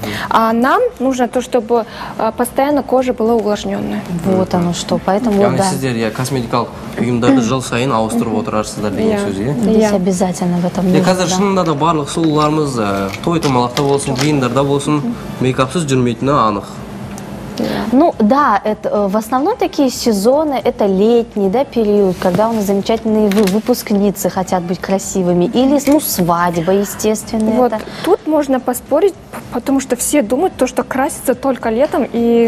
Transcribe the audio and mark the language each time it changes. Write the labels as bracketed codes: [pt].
[ru] А нам нужно то, чтобы постоянно кожа была увлажненная. Вот оно что, поэтому вот, [kk] Я косметикал ұйымдарды жыл сайын ауыстырып отырарсыздар деген сөз, иә? Біз [ru] обязательно в этом. [kk] Қазір шынында да барлық сұлуларымыз той-томалақта болсын, жиындарда болсын, мейкапсыз жүрмейтіні анық. [ru] Ну да, это в основном такие сезоны, это летний, да, период, когда у нас замечательные выпускницы хотят быть красивыми, или ну свадьба, естественно. Вот это. Тут можно поспорить, потому что все думают, то что красится только летом и